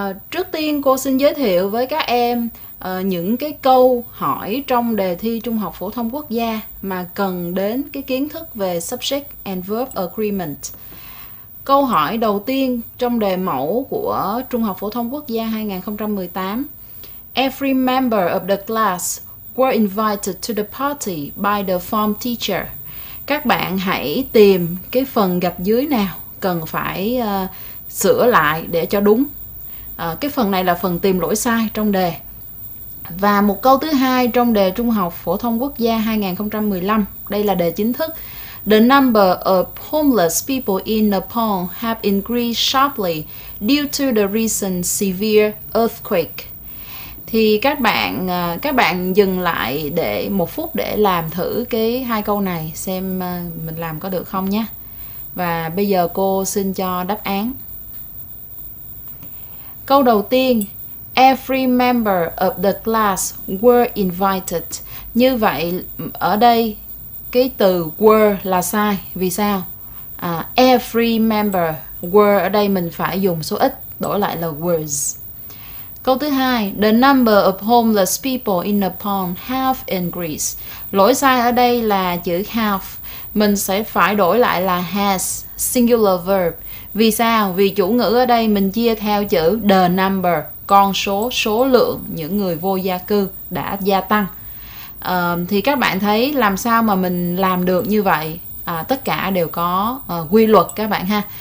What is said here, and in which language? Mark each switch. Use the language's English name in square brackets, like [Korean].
[Vietnamese] Trước tiên cô xin giới thiệu với các em những cái câu hỏi trong đề thi Trung học Phổ thông Quốc gia mà cần đến cái kiến thức về Subject and Verb Agreement. Câu hỏi đầu tiên trong đề mẫu của Trung học Phổ thông Quốc gia 2018. [English] Every member of the class were invited to the party by the form teacher. [Vietnamese] Các bạn hãy tìm cái phần gạch dưới nào cần phải sửa lại để cho đúng. Cái phần này là phần tìm lỗi sai trong đề. Và một câu thứ hai trong đề Trung học Phổ thông Quốc gia 2015. Đây là đề chính thức. [English] The number of homeless people in Nepal have increased sharply due to the recent severe earthquake. [Vietnamese] Thì các bạn dừng lại để một phút để làm thử cái hai câu này xem mình làm có được không nhé. Và bây giờ cô xin cho đáp án. Câu đầu tiên, [English] every member of the class were invited. [Vietnamese] Như vậy ở đây cái từ were là sai. Vì sao? [English] Every member were [Vietnamese] ở đây mình phải dùng số ít, đổi lại là was. Câu thứ hai, [English] the number of homeless people in Nepal have increased. [Vietnamese] Lỗi sai ở đây là chữ have. Mình sẽ phải đổi lại là has, singular verb. Vì sao? Vì chủ ngữ ở đây mình chia theo chữ the number, con số, số lượng những người vô gia cư đã gia tăng. Thì các bạn thấy làm sao mà mình làm được như vậy? Tất cả đều có quy luật các bạn ha.